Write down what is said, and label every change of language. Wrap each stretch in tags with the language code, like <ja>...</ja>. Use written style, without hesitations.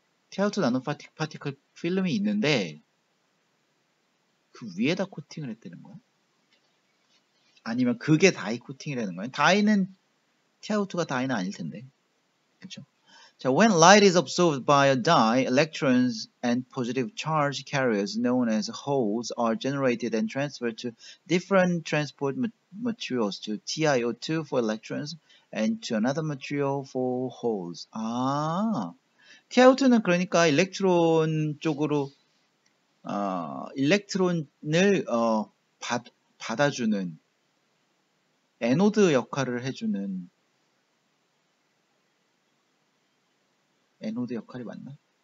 <ko>티아이오트 나노파티클 필름이 있는데 그 위에다 코팅을 했다는 거야? 아니면 그게 다이 코팅이라는 거야? 다이는 티아이오트가 다이는 아닐 텐데. 그쵸?</ko> <en>자, when light is absorbed by a dye, electrons and positive charge carriers known as holes are generated and transferred to different transport materials, to TiO2 for electrons and to another material for holes.</en> <ko>아, TiO2는 그러니까 일렉트론 쪽으로, 일렉트론을, 받아주는, 애노드 역할을 해주는, 애노드 역할이 맞나?</ko>